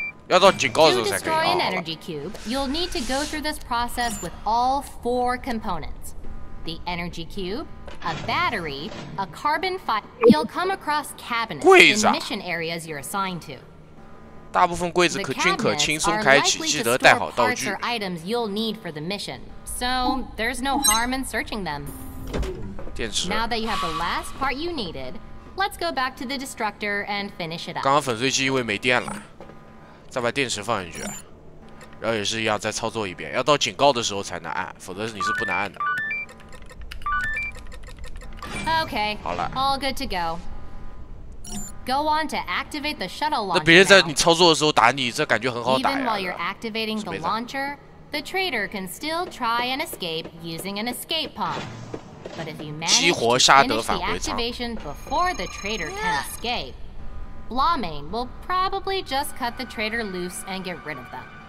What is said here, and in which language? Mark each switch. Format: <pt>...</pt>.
<en>To destroy an energy cube, you'll need to go through this process with all four components: the energy cube, a battery, a carbon fiber. You'll come across cabinets in mission areas you're assigned to.</en> <zh>大部分柜子均可轻松开启，记得带好道具。</zh> <en>The cabinets are likely to store parts or items you'll need for the mission, so there's no harm in searching them.</en> <zh>电池。</zh> <en>Now that you have the last part you needed, let's go back to the destructor and finish it up.</en> <zh>刚刚粉碎机因为没电了。再把电池放进去，然后也是一样，再操作一遍，要到警告的时候才能按，否则你是不能按的。</zh> <en>Okay,</en> <zh>好了</zh> <en>，all good to go. Go on to activate the shuttle launcher.</en> <zh>那别人在你操作的时候打你，这感觉很好打呀。</zh> <en>Even while you're activating the launcher, the trader can still try and escape using an escape pod. But if you manage to finish the activation before the trader can escape. Lawmane will probably just cut the traitor loose and get rid of them.</en>